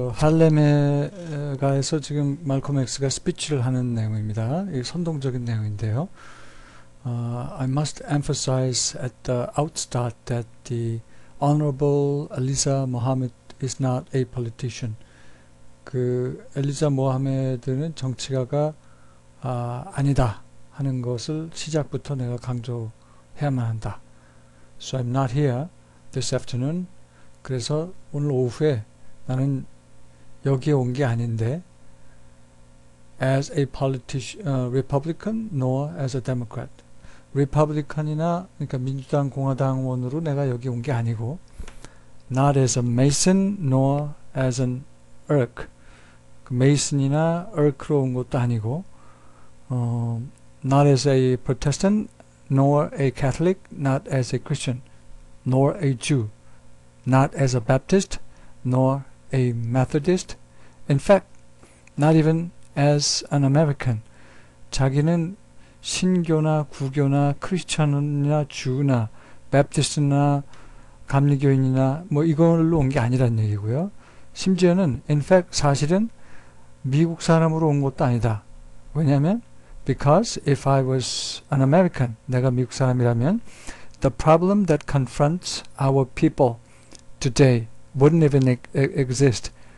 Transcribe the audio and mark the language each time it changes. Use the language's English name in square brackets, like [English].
[Korean] 할렘에가에서 지금 말콤엑스가 스피치를 하는 내용입니다. 이 선동적인 내용인데요. [English] I must emphasize at the outstart that the Honorable Eliza Mohammed is not a politician. [Korean] 그 엘리자 모하메드는 정치가가 아니다 하는 것을 시작부터 내가 강조해야만 한다. [English] So I'm not here this afternoon. [Korean] 그래서 오늘 오후에 나는 여기에 온게 아닌데, [English] as a Republican nor as a Democrat. [Korean] Republican이나 그러니까 민주당 공화당원으로 내가 여기 온게 아니고, [English] not as a Mason nor as an Irk. [Korean] 그 메이슨이나 얼크로 온 것도 아니고, [English] not as a Protestant, nor a Catholic, not as a Christian, nor a Jew, not as a Baptist, nor a Methodist. In fact, not even as an American. [Korean] 자기는 신교나 구교나 크리스천이나 주나 Baptist나 감리교인이나 뭐 이걸로 온게 아니란 얘기고요. 심지어는 [English] in fact [Korean] 사실은 미국 사람으로 온 것도 아니다. 왜냐면, [English] because if I was an American, [Korean] 내가 미국 사람이라면, [English] the problem that confronts our people today wouldn't even exist.